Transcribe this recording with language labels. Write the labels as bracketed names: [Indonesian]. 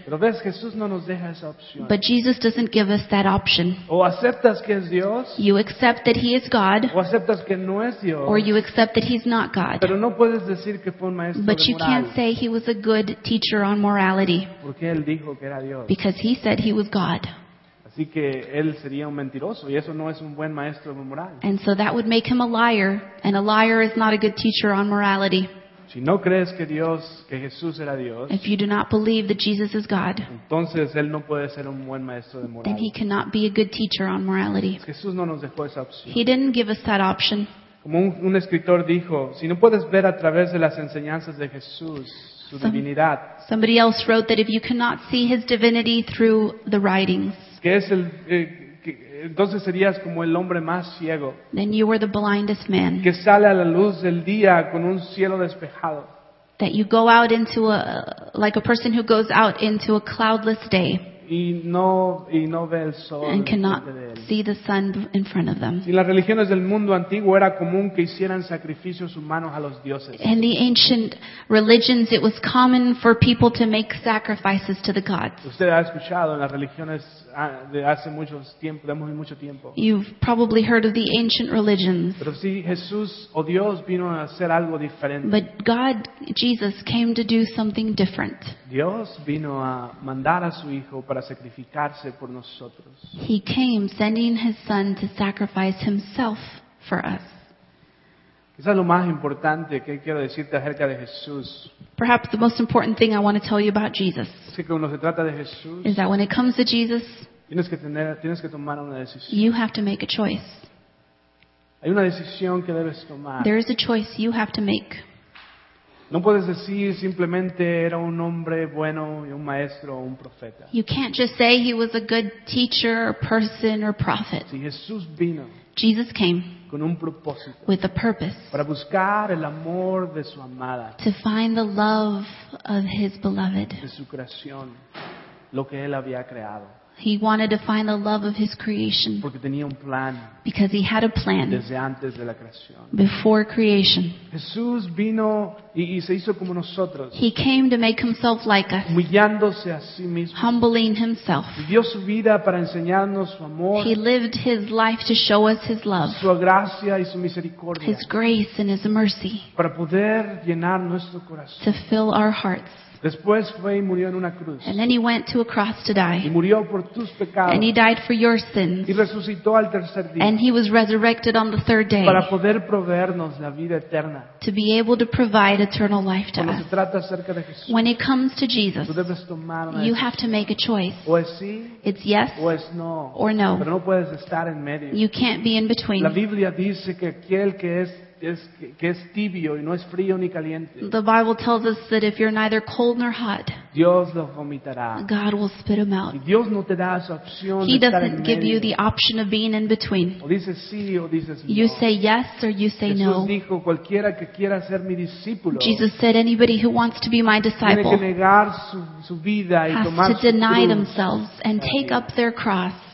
[Spanish] Pero ves, Jesús no nos deja esa opción. [English] But Jesus doesn't give us that option. [Spanish] O aceptas que es Dios. [English] You accept that he is God. [Spanish] O aceptas que no es Dios. [English] Or you accept that he's not God. [Spanish] Pero no puedes decir que fue un maestro de moral. [English] But you can't say he was a good teacher on morality. [Spanish] Porque él dijo que era Dios. [English] Because he said he was God. [Spanish] Así que él sería un mentiroso y eso no es un buen maestro de moral. [English] And so that would make him a liar, and a liar is not a good teacher on morality. [Spanish] Si no crees que Dios, que Jesús era Dios, [English] if you do not believe that Jesus is God, [Spanish] entonces él no puede ser un buen maestro de moral. [English] Then he cannot be a good teacher on morality. [Spanish] Jesús no nos dejó esa opción. [English] He didn't give us that option. [Spanish] Como un escritor dijo, si no puedes ver a través de las enseñanzas de Jesús su divinidad. [English] Somebody else wrote that if you cannot see his divinity through the writings, [Spanish] que es el, entonces serías como el hombre más ciego. [English] Then you were the blindest man. [Spanish] Que sale a la luz del día con un cielo despejado. [English] That you go out into a, like a person who goes out into a cloudless day. [Spanish] Y no ve el sol. [English] And cannot see the sun in front of them. [Spanish] Y las religiones del mundo antiguo era común que hicieran sacrificios humanos a los dioses. [English] In the ancient religions, it was common for people to make sacrifices to the gods. [Spanish] Usted ha escuchado en las religiones de hace mucho tiempo. [English] You've probably heard of the ancient religions. [Spanish] Pero sí, Jesús o Dios vino a hacer algo diferente. [English] But God, Jesus, came to do something different. [Spanish] Dios vino a mandar a su hijo para sacrificarse por nosotros. [English] He came sending his son to sacrifice himself for us. [Spanish] Quizás lo más importante que quiero decirte acerca de Jesús. [English] Perhaps the most important thing I want to tell you about Jesus. [Spanish] Es que cuando se trata de Jesús, [English] is that when it comes to Jesus, [Spanish] tienes que tomar una decisión. [English] You have to make a choice. [Spanish] Hay una decisión que debes tomar. [English] There is a choice you have to make. [Spanish] No puedes decir simplemente era un hombre bueno y un maestro o un profeta. [English] You can't just say he was a good teacher or person or prophet. [Spanish] Si Jesús vino, [English] Jesus came [Spanish] con un propósito, [English] with a purpose, [Spanish] para buscar el amor de su amada, [English] to find the love of his beloved, [Spanish] de su creación, lo que él había creado. [English] He wanted to find the love of his creation, [Spanish] porque tenía un plan, [English] because he had a plan [Spanish] desde antes de la creación, [English] before creation. [Spanish] Jesús vino y se hizo como nosotros, [English] he came to make himself like us, [Spanish] humillándose a sí mismo, [English] humbling himself. [Spanish] Dio su vida para enseñarnos su amor, [English] he lived his life to show us his love, [Spanish] su gracia y su misericordia, [English] his grace and his mercy, [Spanish] para poder llenar nuestro corazón, [English] to fill our hearts. [Spanish] Después fue y murió en una cruz. [English] And then he went to a cross to die. [Spanish] Y murió por tus pecados. [English] And he died for your sins. [Spanish] Y resucitó al tercer día. [English] And he was resurrected on the third day. [Spanish] Para poder proveernos la vida eterna. [English] To be able to provide eternal life to [Spanish] cuando [English] us. [Spanish] Cuando se trata acerca de Jesús. [English] When it comes to Jesus. [Spanish] Tú debes tomar una [English] you [Spanish] decisión. [English] Have to make a choice. [Spanish] O es sí. [English] It's yes. [Spanish] O es no. [English] Or no. [Spanish] Pero no puedes estar en medio. [English] You can't be in between. [Spanish] La Biblia dice que aquel que es tibio y no es frío ni caliente. [English] The Bible tells us that if you're neither cold nor hot, [Spanish] Dios lo vomitará. [English] God will spit him out. [Spanish] Y Dios no te da esa opción. [English] He doesn't give you the option of being in between. [Spanish] O dices sí o dices no. [English] You say yes or you say [Spanish] Jesús [English] no. [Spanish] Jesús dijo, cualquiera que quiera ser mi discípulo, [English] Jesus said, anybody who wants to be my disciple, [Spanish] tiene que negar su vida y tomar su cruz. [English] Has to deny themselves and take up their cross.